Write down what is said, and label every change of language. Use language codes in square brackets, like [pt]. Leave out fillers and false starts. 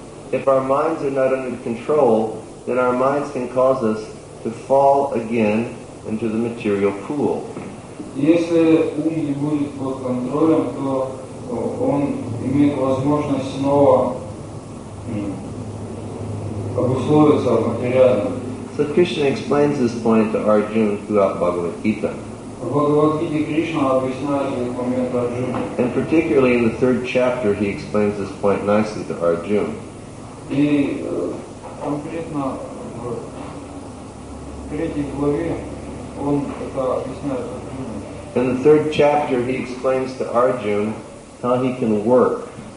[en] If our minds are not under control, then our minds can cause us to fall again into the material pool. [ru] Если ум не будет под контролем, то он имеет возможность снова обусловиться материально. [en] So Krishna explains this point to Arjuna throughout Bhagavad Gita. [ru] В Бхагавад Гите Кришна объясняет этот момент Арджуне. [en] And particularly in the third chapter he explains this point nicely to Arjuna. [ru] И конкретно в третьей главе он это объясняет. [en] In the third chapter, he explains to Arjuna how he can work.